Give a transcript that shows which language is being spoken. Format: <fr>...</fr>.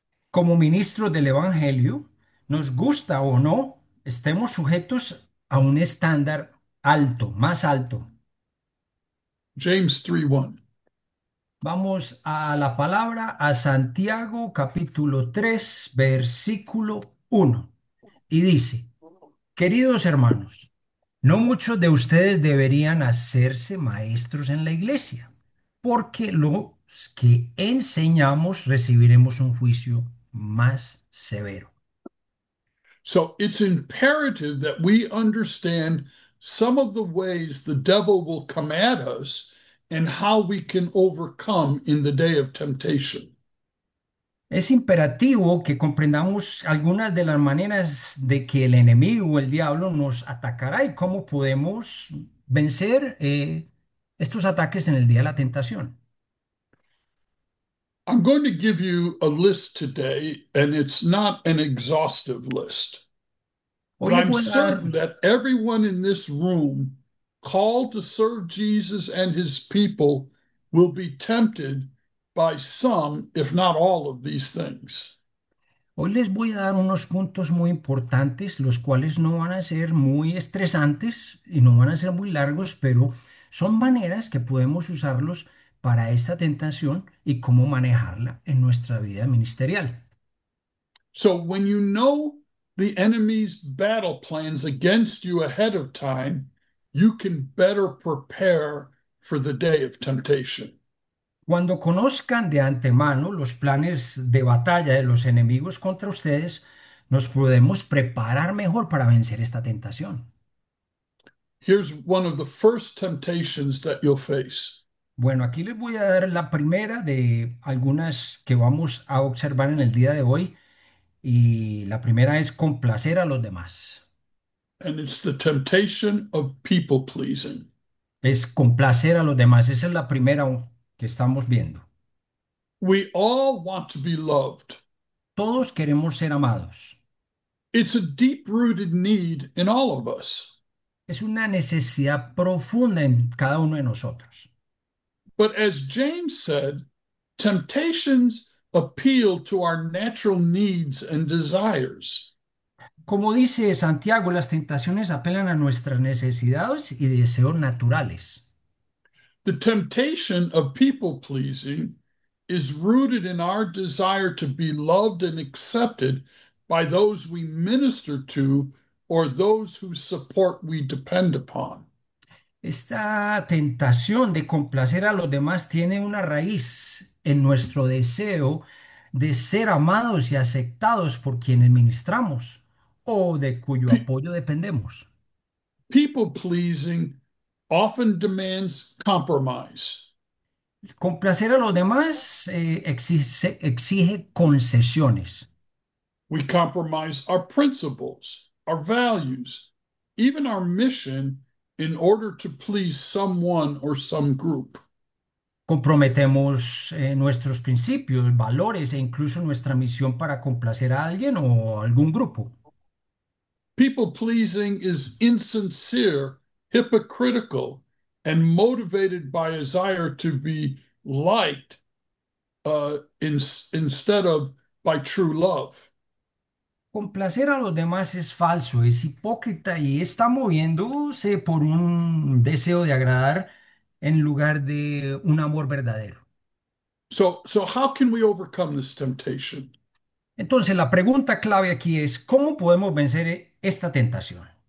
<es>Como ministros del Evangelio, nos gusta o no, estemos sujetos a un estándar alto, más alto.</es> <en>James 3:1.</en> <es>Vamos a la palabra, a Santiago capítulo 3, versículo 1. Y dice, queridos hermanos, no muchos de ustedes deberían hacerse maestros en la iglesia, porque los que enseñamos recibiremos un juicio más severo.</es> <en>So it's imperative that we understand some of the ways the devil will come at us and how we can overcome in the day of temptation.</en> <es>Es imperativo que comprendamos algunas de las maneras de que el enemigo o el diablo nos atacará y cómo podemos vencer estos ataques en el día de la tentación.</es> <en>I'm going to give you a list today, and it's not an exhaustive list.</en> <es>Hoy</es> <en>But</en> <es>le</es> <en>I'm</en> <es>voy a</es> <en>certain</en> <es>dar.</es> <en>that everyone in this room called to serve Jesus and his people will be tempted by some, if not all, of these things.</en> <es>Hoy les voy a dar unos puntos muy importantes, los cuales no van a ser muy estresantes y no van a ser muy largos, pero son maneras que podemos usarlos para esta tentación y cómo manejarla en nuestra vida ministerial.</es> <en>So when you know the enemy's battle plans against you ahead of time, you can better prepare for the day of temptation.</en> <es>Cuando conozcan de antemano los planes de batalla de los enemigos contra ustedes, nos podemos preparar mejor para vencer esta tentación.</es> <en>Here's one of the first temptations that you'll face.</en> <es>Bueno, aquí les voy a dar la primera de algunas que vamos a observar en el día de hoy. Y la primera es complacer a los demás.</es> <en>And it's the temptation of people pleasing.</en> <es>Es complacer a los demás. Esa es la primera que estamos viendo.</es> <en>We all want to be loved.</en> <es>Todos queremos ser amados.</es> <en>It's a deep-rooted need in all of us.</en> <es>Es una necesidad profunda en cada uno de nosotros.</es> <en>But as James said, temptations appeal to our natural needs and desires.</en> <es>Como dice Santiago, las tentaciones apelan a nuestras necesidades y deseos naturales.</es> <en>The temptation of people pleasing is rooted in our desire to be loved and accepted by those we minister to or those whose support we depend upon.</en> <es>Esta tentación de complacer a los demás tiene una raíz en nuestro deseo de ser amados y aceptados por quienes ministramos o de cuyo apoyo dependemos.</es> <en>People pleasing often demands compromise.</en> <es>Complacer a los demás exige concesiones.</es> <en>We compromise our principles, our values, even our mission in order to please someone or some group.</en> <es>Comprometemos nuestros principios, valores e incluso nuestra misión para complacer a alguien o algún grupo.</es> <en>People pleasing is insincere, hypocritical, and motivated by a desire to be liked instead of by true love.</en> <es>Complacer a los demás es falso, es hipócrita y está moviéndose por un deseo de agradar en lugar de un amor verdadero.</es> <en>So how can we overcome this temptation?</en> <es>Entonces, la pregunta clave aquí es, ¿cómo podemos vencer esta tentación?</es>